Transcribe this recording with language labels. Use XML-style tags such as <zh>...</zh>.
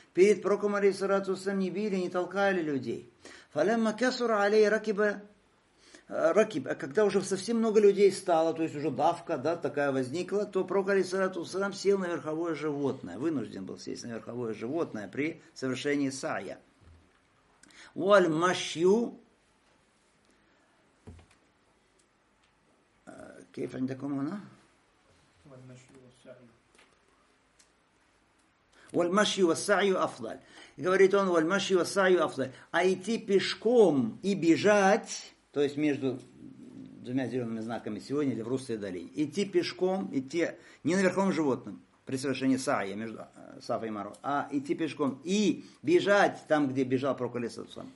<ru>Перед пророком алейхиссалату вассалям не били, не толкали людей. Фалямма кесура алей ракиба, ракиб, а когда уже совсем много людей стало, то есть уже давка, да, такая возникла, то пророк алейхиссалату вассалям сел на верховое животное, вынужден был сесть на верховое животное при совершении сая.</ru> <ar>Уаль машью كيف عندكم هنا؟ والمشي والسعي أفضل.</ar> <ru>Говорит он,</ru> <ar>والمشي والسعي أفضل.</ar> <ru>А идти пешком и бежать, то есть между двумя зелеными знаками сегодня или в русской долине, идти пешком, идти не на верховом животном, при совершении сая между Сафа и Марва, а идти пешком и бежать там, где бежал Проколесов сам.</ru>